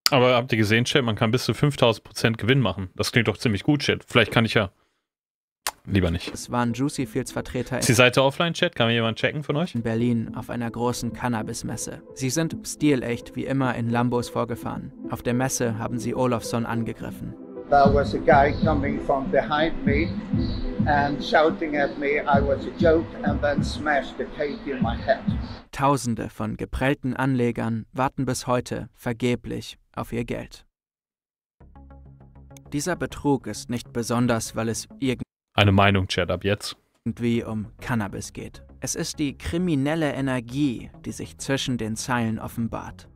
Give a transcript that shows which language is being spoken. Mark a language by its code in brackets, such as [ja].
[de] Aber habt ihr gesehen, Chad, man kann bis zu 5000% Gewinn machen. Das klingt doch ziemlich gut, Chad. Vielleicht kann ich ja... Lieber nicht. Es waren Juicy Fields Vertreter... Ist die Seite offline, Chat? Kann mir jemand checken von euch? ...in Berlin auf einer großen Cannabis-Messe. Sie sind stilecht, wie immer, in Lambos vorgefahren. Auf der Messe haben sie Olofsson angegriffen. [en] There was a guy coming from behind me and shouting at me, I was a joke, and then smashed the cake in my head. [de] Tausende von geprellten Anlegern warten bis heute vergeblich auf ihr Geld. Dieser Betrug ist nicht besonders, weil es Eine Meinung, Chat, ab jetzt. Irgendwie um Cannabis geht. Es ist die kriminelle Energie, die sich zwischen den Zeilen offenbart.